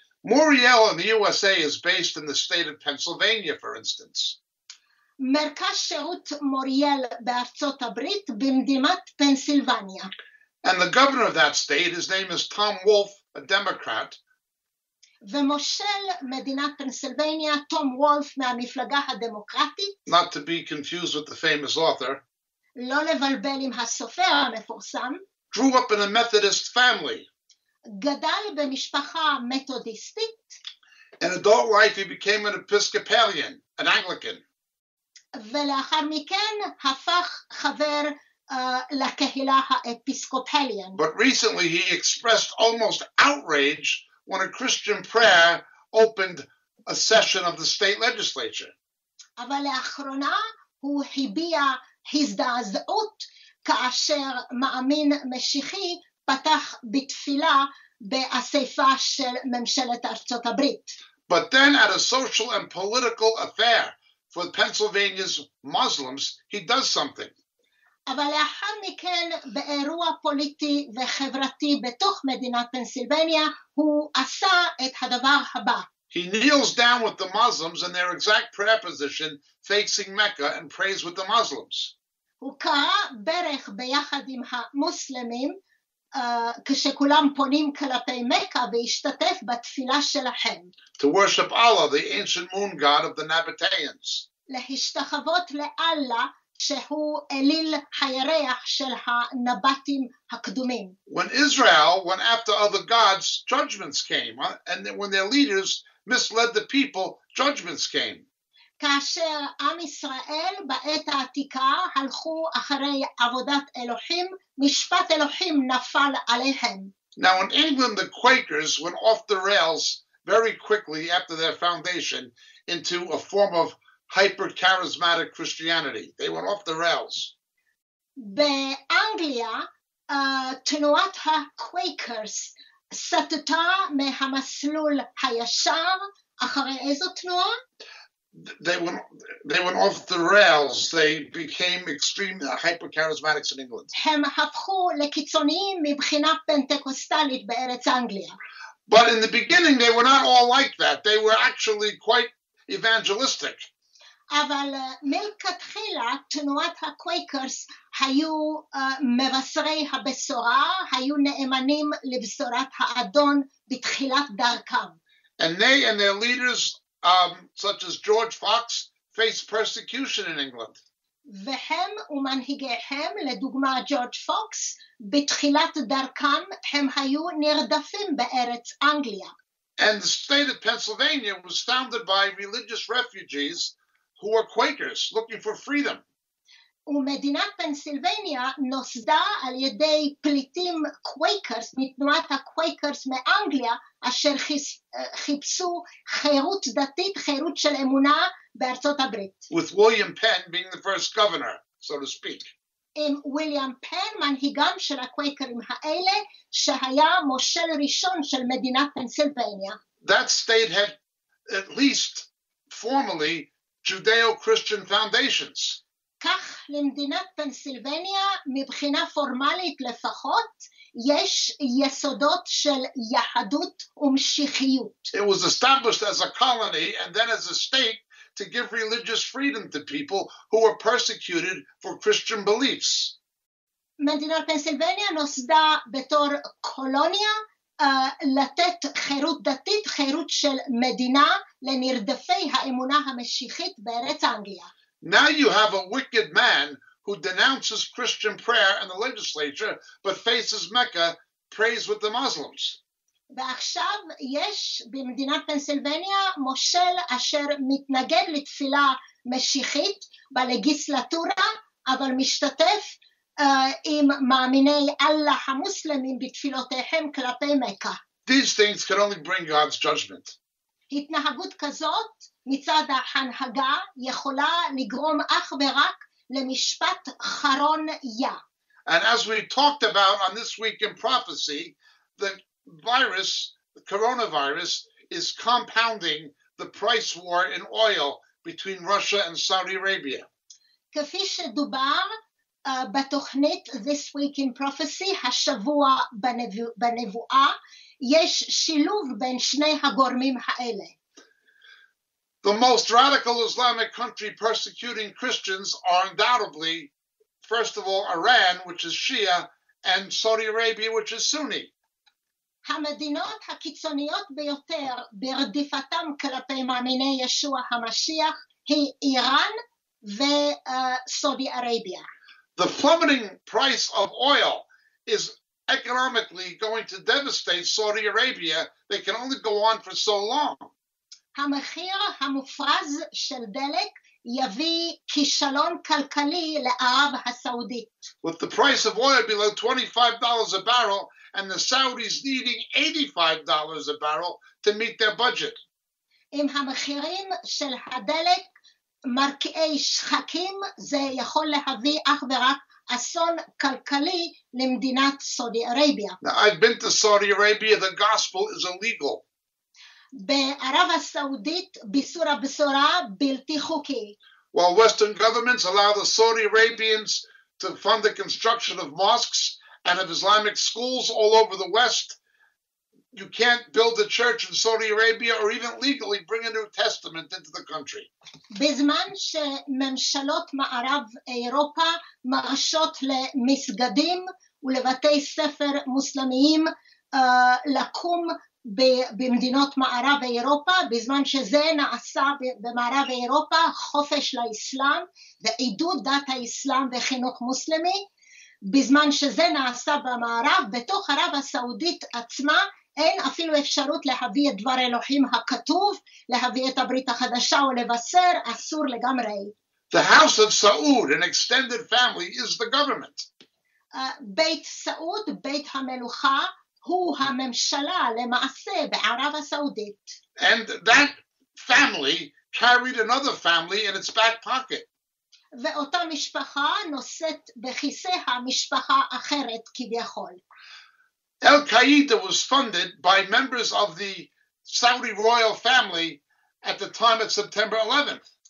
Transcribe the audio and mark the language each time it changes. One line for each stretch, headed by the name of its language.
English: Muriel in the USA is based in the state of Pennsylvania, for instance.
Hebrew: מרכז שירות מוריאל בארצות הברית במדינת פנסילבניה.
English: And the governor of that state, his name is Tom Wolf, a Democrat.
Hebrew: ומושל מדינת פנסילבניה, תום וולף מהמפלגה הדמוקרטית.
English: Not to be confused with the famous author.
Hebrew: לא לבלבל עם הסופר המפורסם.
English: Grew up in a Methodist family.
Hebrew: גדל במשפחה מתודיסטית.
English: In adult life he became an Episcopalian, an Anglican.
Hebrew: ולאחר מכן הפך חבר לקהילה האפיסקופליאן.
English: But recently he expressed almost outrage when a Christian prayer opened a session of the state legislature.
Hebrew: אבל לאחרונה הוא הביע הזדעזעות כאשר מאמין משיחי פתח בתפילה באספה של ממשלת ארצות הברית.
English: But then at a social and political affair for Pennsylvania's Muslims, he does something.
Hebrew: אבל לאחר מכן באירוע פוליטי וחברתי בתוך מדינת פנסילבניה הוא עשה את הדבר הבא.
English: He kneels down with the Muslims in their exact prayer position facing Mecca and prays with the Muslims.
Hebrew: הוא קרא ברך ביחד עם המוסלמים כשכולם פונים כלפי מכה והשתתף בתפילה שלהם.
English: To worship Allah, the ancient moon god of the Nabataeans.
Hebrew: להשתחוות לאללה שהוא אליל הירח של הנבטים הקדומים.
English: When Israel went after other gods, judgments came, and when their leaders misled the people, judgments came.
Hebrew: כאשר עם ישראל בעת העתיקה הלכו אחרי עבודת אלוהים, משפט אלוהים נפל עליהם.
English: Now in England, the Quakers went off the rails very quickly after their foundation into a form of hyper-charismatic Christianity. They went off the rails.
Hebrew: באנגליה, תנועת ה-Quakers סטתה מהמסלול הישר. אחרי איזו תנועה?
English: They went off the rails. They became extreme hyper-charismatics in England.
Hebrew: הם הפכו לקיצוניים מבחינה פנטקוסטלית בארץ אנגליה.
English: But in the beginning, they were not all like that. They were actually quite evangelistic.
Hebrew: אבל מלכתחילה תנועת הקווייקרס היו מבשרי הבשורה, היו נאמנים לבשורת האדון בתחילת דרכם.
English: And they and their leaders, such as George Fox, faced persecution in England.
Hebrew: והם ומנהיגיהם, לדוגמה ג'ורג' פוקס, בתחילת דרכם הם היו נרדפים בארץ אנגליה.
English: And the state of Pennsylvania was founded by religious refugees who were Quakers looking for freedom.
Hebrew: ומדינת פנסילבניה נוסדה על ידי פליטים קווייקרס, מתנועת הקווייקרס מאנגליה, אשר חיפשו חירות דתית, חירות של אמונה בארצות הברית.
English: With William Penn being the first governor, so to speak.
Hebrew: עם ויליאם פן, מנהיגם של הקווייקרים האלה, שהיה מושל ראשון של מדינת פנסילבניה.
English: That state had at least formally Judeo-Christian foundations.
Hebrew: כך למדינת פנסילבניה, מבחינה פורמלית לפחות, יש יסודות של יהדות ומשיחיות.
English: It was established as a colony and then as a state to give religious freedom to people who were persecuted for Christian beliefs.
Hebrew: מדינת פנסילבניה נוסדה בתור קולוניה, לתת חירות דתית, חירות של מדינה לנרדפי האמונה המשיחית בארץ אנגליה.
English: Now you have a wicked man who denounces Christian prayer and the legislature, but faces Mecca, prays with the Muslims.
Hebrew: ועכשיו יש במדינת פנסילבניה מושל אשר מתנגד לתפילה משיחית בלגיסלטורה, אבל משתתף עם מאמיני אללה המוסלמים בתפילותיהם כלפי מכה.
English: These things can only bring God's judgment.
Hebrew: התנהגות כזאת מצד ההנהגה יכולה לגרום אך ורק למשפט חרון יה.
English: And as we talked about on This Week in Prophecy, the virus, the coronavirus, is compounding the price war in oil between Russia and Saudi Arabia.
Hebrew: כפי שדובר בתוכנית This Week in Prophecy, השבוע בנבואה, יש שילוב בין שני הגורמים האלה.
English: The most radical Islamic country persecuting Christians are undoubtedly, first of all, Iran, which is Shia, and Saudi Arabia, which is Sunni.
Hebrew: המדינות הקיצוניות ביותר ברדיפתם כלפי מאמיני ישוע המשיח היא איראן וסעודי אראביה.
English: The plummeting price of oil is economically going to devastate Saudi Arabia. They can only go on for so long.
Hebrew: המחיר המופרז של דלק יביא כישלון כלכלי לערב הסעודית.
English: With the price of oil below $25 a barrel, and the Saudis needing $85 a barrel to meet their budget.
Hebrew: אם המחירים של הדלק מרקיעי שחקים, זה יכול להביא אך ורק אסון כלכלי למדינת סעודי אראביה.
English: Now, I've been to Saudi Arabia. The gospel is illegal.
Hebrew: בערב הסעודית, ביסור הבשורה בלתי חוקי.
English: While Western governments allow the Saudi Arabians to fund the construction of mosques, and of Islamic schools all over the West, you can't build a church in Saudi Arabia or even legally bring a New Testament into the country.
Hebrew: בזמן שממשלות מערב אירופה מרשות למסגדים ולבתי ספר מוסלמיים לקום במדינות מערב אירופה, בזמן שזה נעשה במערב אירופה, חופש לאסלאם ועידוד דת האסלאם וחינוך מוסלמי, בזמן שזה נעשה במערב, בתוך ערב הסעודית עצמה, אין אפילו אפשרות להביא את דבר אלוהים הכתוב, להביא את הברית החדשה ולבשר, אסור לגמרי.
English: The house of Saud, an extended family, is the government.
Hebrew: בית סעוד, בית המלוכה, הוא הממשלה למעשה בערב הסעודית.
English: And that family carried another family in its back pocket.
Hebrew: ואותה משפחה נושאת בכיסא המשפחה אחרת כביכול.
English: Al-Qaeda was funded by members of the Saudi royal family at the time of September 11th.